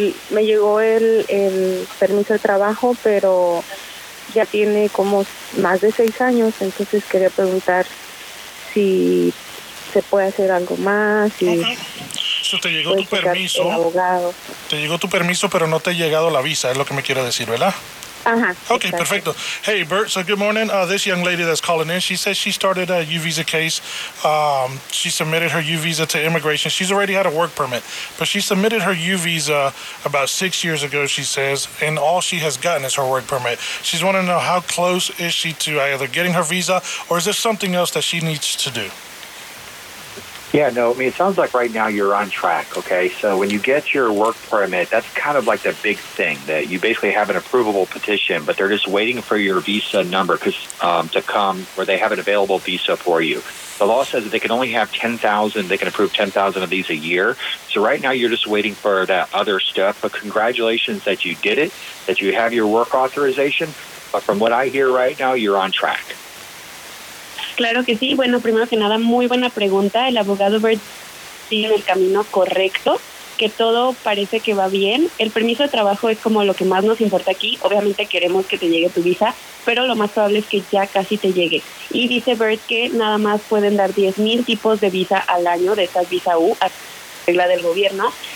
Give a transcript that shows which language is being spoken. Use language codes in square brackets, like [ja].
[es] Me llegó el permiso de trabajo, pero ya tiene como más de 6 años, entonces quería preguntar si se puede hacer algo más. Si uh-huh. Te llegó tu permiso, abogado. Te llegó tu permiso, pero no te ha llegado la visa, es lo que me quiere decir, ¿verdad? Uh-huh. [en] Okay, perfecto. Hey, Bert, so good morning. This young lady that's calling in, she says she started a U visa case. She submitted her U visa to immigration. She's already had a work permit, but she submitted her U visa about 6 years ago, she says, and all she has gotten is her work permit. She's wanting to know how close is she to either getting her visa or is there something else that she needs to do? Yeah, no, I mean, it sounds like right now you're on track, okay? So when you get your work permit, that's kind of like the big thing, that you basically have an approvable petition, but they're just waiting for your visa number to come where they have an available visa for you. The law says that they can only have 10,000, they can approve 10,000 of these a year. So right now you're just waiting for that other stuff, but congratulations that you did it, that you have your work authorization. But from what I hear right now, you're on track. [es] Claro que sí. Bueno, primero que nada, muy buena pregunta. El abogado Bird sigue en el camino correcto, que todo parece que va bien. El permiso de trabajo es como lo que más nos importa aquí. Obviamente queremos que te llegue tu visa, pero lo más probable es que ya casi te llegue. Y dice Bird que nada más pueden dar 10,000 tipos de visa al año, de estas visa U, a regla del gobierno.